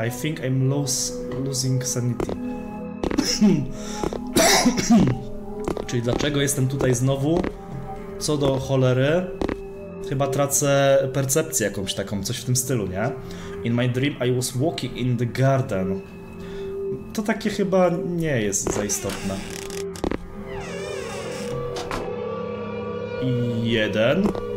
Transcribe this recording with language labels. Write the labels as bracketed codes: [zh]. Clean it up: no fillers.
[en] I think I'm losing sanity. [pl] Czyli dlaczego jestem tutaj znowu? Co do cholery? Chyba tracę percepcję jakąś taką, coś w tym stylu, nie? [en] In my dream I was walking in the garden. [pl] To takie chyba nie jest za istotne. I jeden.